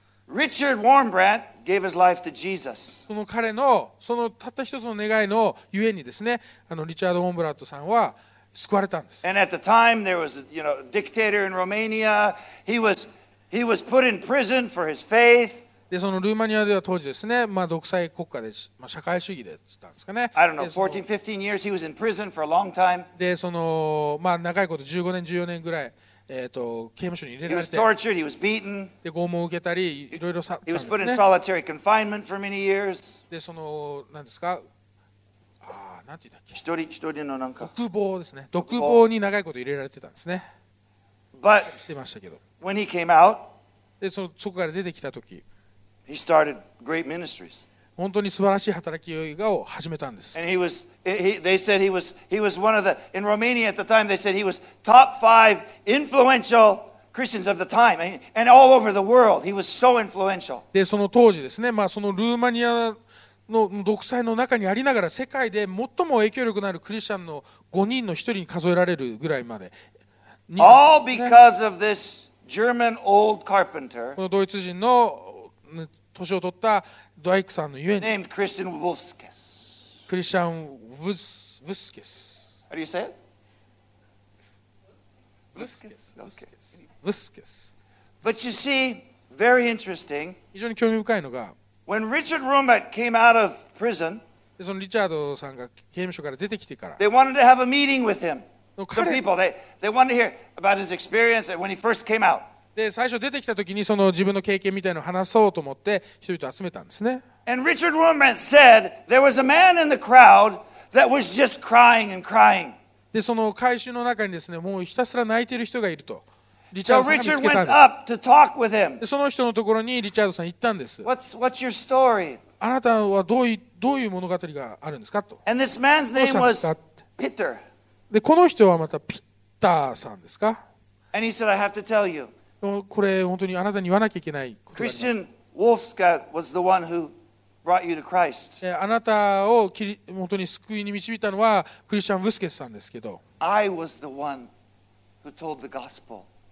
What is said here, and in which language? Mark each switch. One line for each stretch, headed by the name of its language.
English: Richard Wurmbrand gave his life to Jesus.
Japanese: その彼のそのたった一つの願いのゆえにですね、リチャード・ウォンブラントさんは救われたんです。
English: And at the time there was, you know, a dictator in Romania. He was put in prison for his faith.
Japanese: でそのルーマニアでは当時ですね、まあ独裁国家で、まあ社会主義でしたんですかね。
English: I don't know. 14, 15 years he was in prison for a long time.
Japanese: でそのまあ長いこと15年14年ぐらい。刑務所に入れられて
English: he was tortured, he was beaten.
Japanese: で拷問を受けたりいろいろさ、ね、
English: he was put in solitary confinement for many years.
Japanese: でその何ですか、ああ何て言ったっけ、一人のなんか独房ですね、独房に長いこと入れられてたんですね。
English: But
Japanese: してましたけど、
English: when he came out,
Japanese: でそのそこから出てきた時、
English: he started great ministries.
Japanese: 本当に素晴らしい働きを始めたんです。
English: And they said he was one of the in Romania at the time they said he was top five influential Christians of the time and all over the world he was so influential.
Japanese: でその当時ですね、まあそのルーマニアの独裁の中にありながら世界で最も影響力のあるクリスチャンの5人の1人に数えられるぐらいまで。
English: All because of this German old carpenter.
Japanese: このドイツ人の年を取ったドイクさんのゆえに。
English: Named Christian Wolfskes.
Japanese: クリスチャン・ウスケス。
English: How do you say it?
Japanese: ウスケス。
English: But you see, very interesting.
Japanese: 非常に興味深いのが、
English: When Richard Wurmbrand came out of prison,
Japanese: で、そのリチャードさんが刑務所から出てきてから。
English: They wanted to have a meeting with him. Some people, they wanted to hear about his experience when he first came out.
Japanese: で、最初出てきた時にその自分の経験みたいなのを話そうと思って人々を集めたんですね。
English: And Richard Wurmbrand said there was a man in the crowd that was just crying and crying.
Japanese: で、その会衆の中にですね、もうひたすら泣いている人がいると。
English: So Richard went up to talk with him.
Japanese: その人のところにリチャードさん行ったんです。
English: What's your story?
Japanese: あなたはどういう物語があるんですかと。
English: And this man's name was Peter.
Japanese: で、この人はまたピッターさんですか。
English: And he said, I have to tell you.
Japanese: これ本当にあなたに言わなきゃいけないことがあります。
English: Christian Wolfskat was the one who brought you to Christ.
Japanese: あなたを本当に救いに導いたのはクリスチャン・ブスケスさんですけど。
English: I was the one who told the gospel.